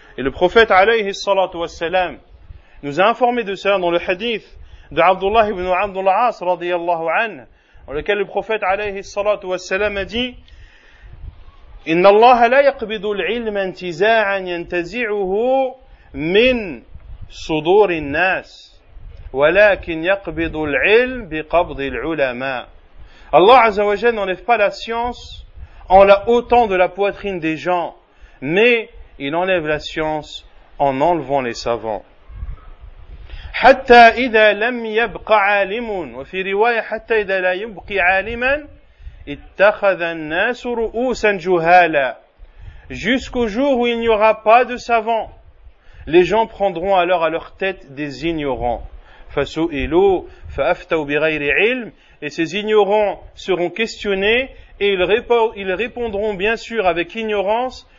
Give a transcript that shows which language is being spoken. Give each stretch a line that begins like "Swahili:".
French: Et le prophète alayhi salatu wassalam nous a informé de cela dans le hadith de Abdullah ibn Amr al-As radiyallahu anhu, dans lequel le prophète alayhi salatu wassalam a dit:
Arabic: Inna Allah la yaqbidu al-ilma intiza'an yantazi'uhu min صدور الناس ولكن يقبض العلم بقبض العلماء.
French: Allah Azza wa Jalla n'enlève pas la science en la ôtant de la poitrine des gens, mais il enlève la science en enlevant les savants.
Arabic: حتى اذا لم يبق عالم وفي روايه حتى اذا لا يبق عالما اتخذ الناس رؤوسا جهالا.
French: Jusqu'au jour où il n'y aura pas de savants, les gens prendront alors à leur tête des ignorants.
Arabic: فَسُئِلُوا فَأَفْتَوْ بِغَيْرِ عِلْمٍ.
French: Et ces ignorants seront questionnés et ils répondront bien sûr avec ignorance.